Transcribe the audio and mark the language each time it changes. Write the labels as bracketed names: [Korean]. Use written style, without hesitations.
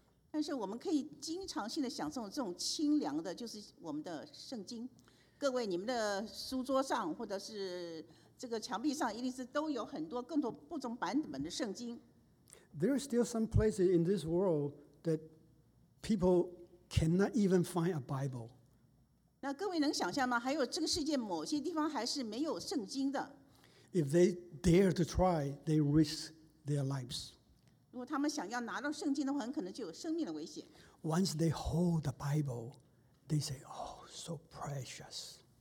[Chinese] 但是我们可以经常性的享受这种清凉的，就是我们的圣经。各位，你们的书桌上或者是这个墙壁上，一定是都有很多更多不同版本的圣经。 [English] There are still some places in this world that people cannot even find a Bible. [Chinese] 那各位能想象吗？还有这个世界某些地方还是没有圣经的。 [English] If they dare to try, they risk their lives. [Chinese] 如果他们想要拿到圣经的话，很可能就有生命的危险。 [English] Once they hold the Bible, they say, "Oh, so precious."